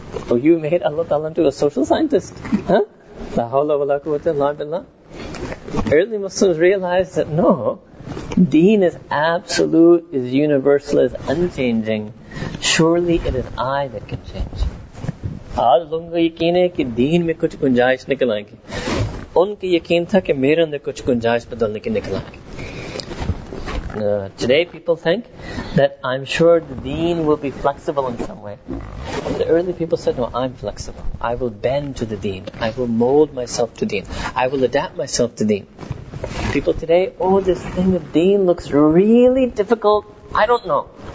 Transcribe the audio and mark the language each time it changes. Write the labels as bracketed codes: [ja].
[en] Oh, you made Allah Ta'ala into a social scientist. [ar] La hawla wa la quwwata illa billah. [en] Early Muslims realized that no, deen is absolute, is universal, is unchanging. Surely it is I that can change. [ur] آج لوگوں کا یقین ہے کہ دین میں کچھ گنجائش نکل آئے گی. ان کا یقین تھا کہ میرے اندر کچھ گنجائش بدلنے کی نکل آئے گی. [en] Today people think that I'm sure the deen will be flexible in some way. The early people said, no, I'm flexible. I will bend to the deen. I will mold myself to deen. I will adapt myself to deen. People today, oh, this thing of deen looks really difficult. I don't know.